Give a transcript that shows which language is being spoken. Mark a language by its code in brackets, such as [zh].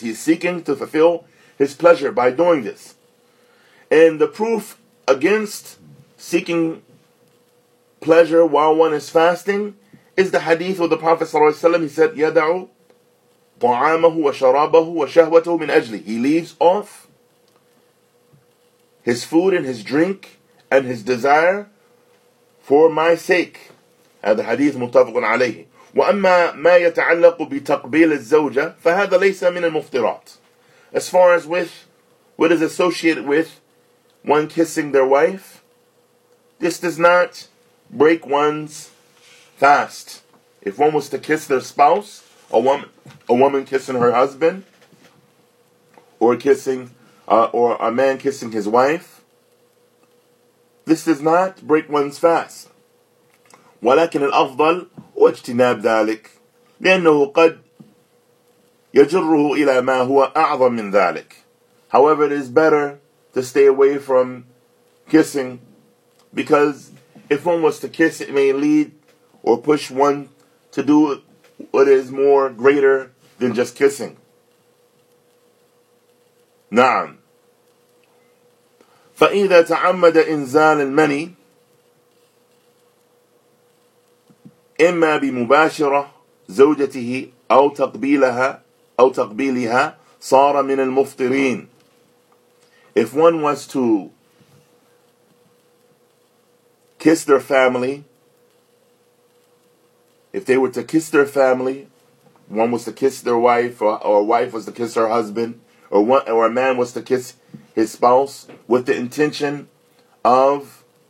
[en] He's seeking to fulfill his pleasure by doing this. And the proof against seeking pleasure while one is fasting is the hadith of the Prophet sallallahu alaihi wasallam. He said, [ar] يَدَعُ طَعَامَهُ وَشَرَابَهُ وَشَهْوَتُهُ مِنْ أَجْلِهِ. [en] He leaves off his food and his drink and his desire for my sake. [ar] هذا حديث متفق عليه. وأما ما يتعلق بتقبيل الزوجة فهذا ليس من المفترات. [en] As far as with what is associated with one kissing their wife, this does not break one's fast. If one was to kiss their spouse, a woman kissing her husband, or a man kissing his wife, this does not break one's fast. [ar] ولكن الأفضل واجتناب ذلك لأنه قد يجره إلى ما هو أعظم من ذلك. [en] However, it is better to stay away from kissing, because if one was to kiss, it may lead or push one to do what is more greater than just kissing. [ar] نعم. فإذا تعمد إنزال المني إما بمباشرة زوجته أو تقبيلها صار من المفطرين. [en] If one wants to kiss their family, if they were to kiss their family, one was to kiss their wife, or a wife was to kiss her husband, or a man was to kiss his spouse with the intention of